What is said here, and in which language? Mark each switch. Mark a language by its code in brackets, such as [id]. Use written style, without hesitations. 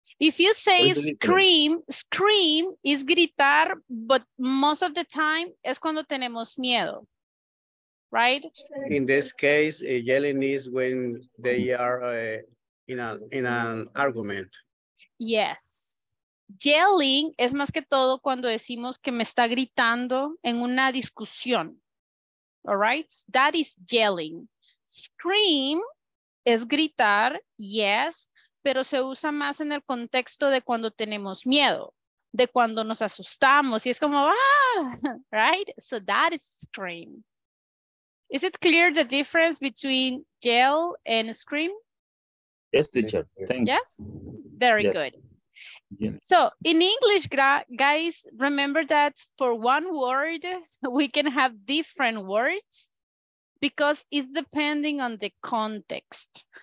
[en] If you say scream is gritar, but most of the time [es] es cuando tenemos miedo, [en] right? In this case, yelling is when they are in an argument. Yes. [es] Yelling es más que todo cuando decimos que me está gritando en una discusión. [en] All right? That is yelling. [es] Scream es gritar, yes, pero se usa más en el contexto de cuando tenemos miedo, de cuando nos asustamos y es como, ah, right? [en] So that is scream. Is it clear the difference between yell and scream? Yes, teacher. Thanks. Yes? Very yes. Good. Yes. So in English, guys, remember that for one word, we can have different words because it's depending on the context.